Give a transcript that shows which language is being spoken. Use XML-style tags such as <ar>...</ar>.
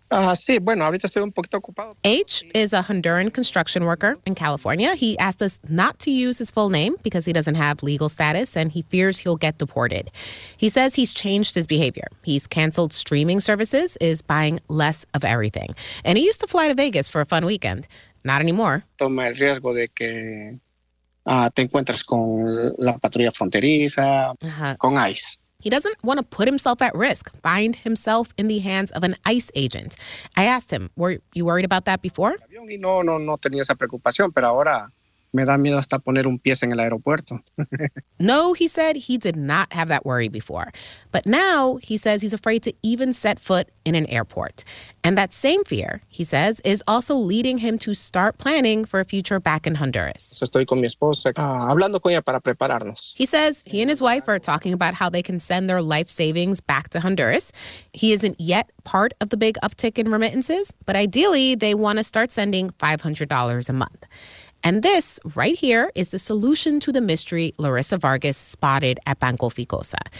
<en>H is a Honduran construction worker in California. He asked us not to use his full name because he doesn't have legal status and he fears he'll get deported. He says he's changed his behavior. He's canceled streaming services, is buying less of everything. And he used to fly to Vegas for a fun weekend. Not anymore.</en> <es>Toma el riesgo de que te encuentres con la patrulla fronteriza, con ICE.</es> <en>He doesn't want to put himself at risk, find himself in the hands of an ICE agent. I asked him, were you worried about that before?</en> <es>No tenía esa preocupación, pero ahora me da miedo hasta poner un pie en el aeropuerto.</es> <en>No, he said he did not have that worry before. But now he says he's afraid to even set foot in an airport. And that same fear, he says, is also leading him to start planning for a future back in Honduras.</en> <es>Estoy con mi esposa, hablando con ella para prepararnos.</es> <en>He says he and his wife are talking about how they can send their life savings back to Honduras. He isn't yet part of the big uptick in remittances, but ideally they want to start sending $500 a month. And this right here is the solution to the mystery Larissa Vargas spotted at Banco Ficosa.</en>